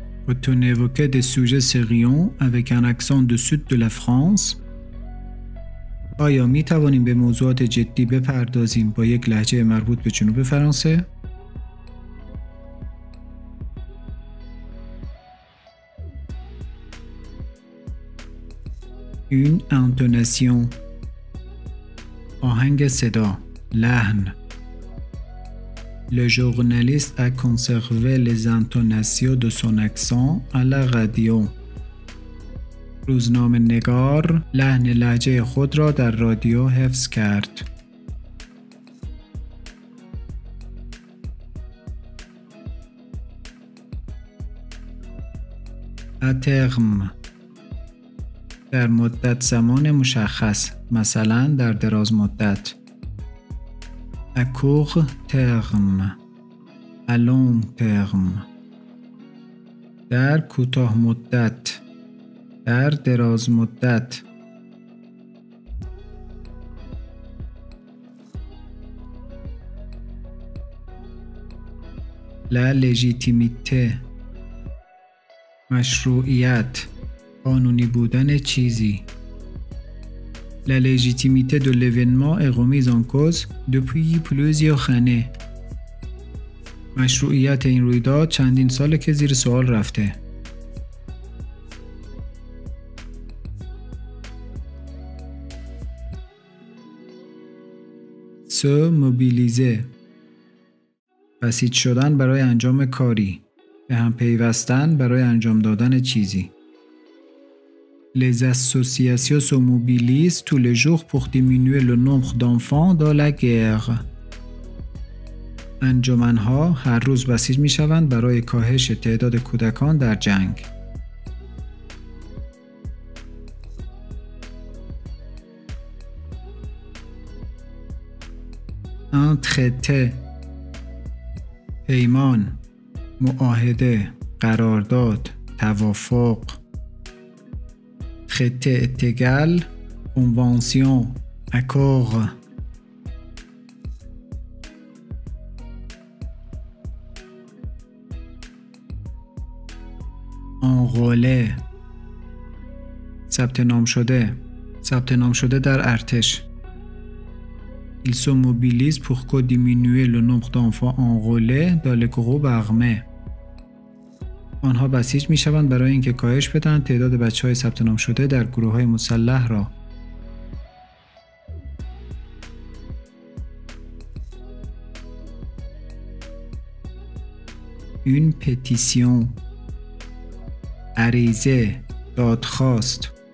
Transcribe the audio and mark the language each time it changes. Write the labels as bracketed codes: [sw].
[fr] Quand on évoquait des sujets sérieux avec un accent du sud de la France, [fa] آیا می توانیم به موضوعات جدی بپردازیم با یک لهجه مربوط به جنوب فرانسه؟ [fr] Une intonation. [fa] آهنگ صدا، لحن. [fr] Le journaliste a conservé les intonations de son accent à la radio. [fa] روزنامه نگار لحن لهجه خود را در رادیو حفظ کرد. اترم، در مدت زمان مشخص، مثلا در دراز مدت. [fr] À court terme. À long terme. [fa] در کوتاه مدت، در دراز مدت. [fr] La légitimité. [fa] مشروعیت، قانونی بودن چیزی. [fr] La légitimité de l'événement est remise en cause depuis plusieurs années. [fa] مشروعیت این رویداد چندین ساله که زیر سوال رفته. [fr] Se mobiliser. [fa] بسیج شدن برای انجام کاری، به هم پیوستن برای انجام دادن چیزی. [fr] Les associations se mobilisent tous les jours pour diminuer le nombre d'enfants dans la guerre. [fa] انجمنها هر روز بسیج می شوند برای کاهش تعداد کودکان در جنگ. [fr] Un traité. [fa] پیمان، معاهده، قرارداد، توافق. [fr] Traité est égal, convention, accord. Enrôlé. [fa] ثبت نام شده. ثبت نام شده در ارتش. Ils se mobilisent pour diminuer le nombre d'enfants enrôlés dans les groupes armés. آنها بسیج می شوند برای اینکه کاهش بدن تعداد بچه های ثبت نام شده در گروه های مسلح را. این پتیسیون، عریضه، دادخواست.